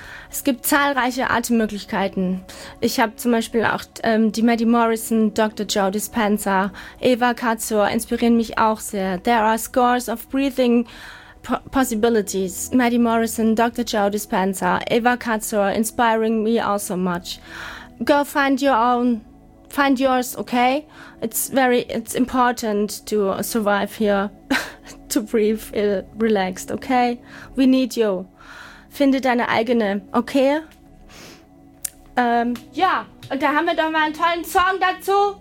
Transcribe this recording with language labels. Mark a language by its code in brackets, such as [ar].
[de] Es gibt zahlreiche Atemmöglichkeiten. Ich habe zum Beispiel auch die Maddie Morrison, Dr. Joe Dispenza, Eva Katzur inspirieren mich auch sehr. [en] There are scores of breathing possibilities. Maddie Morrison, Dr. Joe Dispenza, Eva Katzur inspiring me also much. Go find your own. Find yours, okay? It's important to survive here, to breathe relaxed, okay? We need you. [de] Finde deine eigene, okay? Ja, und da haben wir doch mal einen tollen Song dazu.